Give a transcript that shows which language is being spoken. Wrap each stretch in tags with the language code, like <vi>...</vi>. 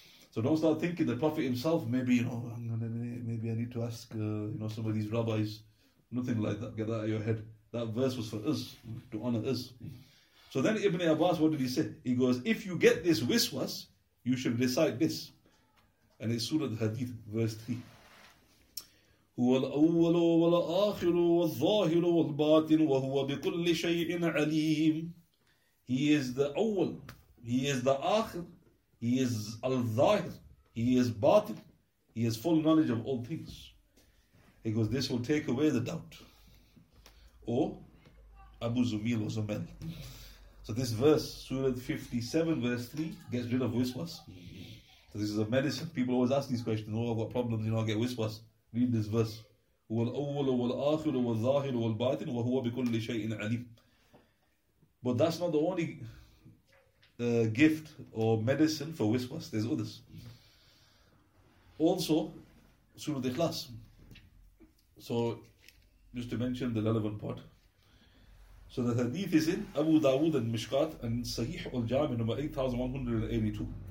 <en>So don't start thinking the Prophet himself, maybe, you know, maybe I need to ask you know, some of these rabbis. Nothing like that. Get that out of your head. That verse was for us, to honor us. So then Ibn Abbas, what did he say? He goes, if you get this wiswas, you should recite this. And it's Surah Al-Hadith, verse 3.</en> <ar>هو الأول والآخر والظاهر والباطن وهو بكل شيء عليم.</ar> <en>He is the أول, he is the آخر, he is الظاهر, he is باطن, he has full knowledge of all things. He goes, this will take away the doubt. Or Abu Zumil or Zumel. So this verse, Surah 57 verse 3, gets rid of whispers. So this is a medicine. People always ask these questions, oh, I've got problems, you know, I get whispers. Read this verse.</en> <ar>هو الأول والآخر والظاهر والباطن وهو بكل شيء عليم.</ar> <en>But that's not the only gift or medicine for whispers. There's others. Also, Surah Ikhlas. So, just to mention the relevant part. So the hadith is in Abu Dawud and Mishkat and Sahih al-Jami number 8182.</en>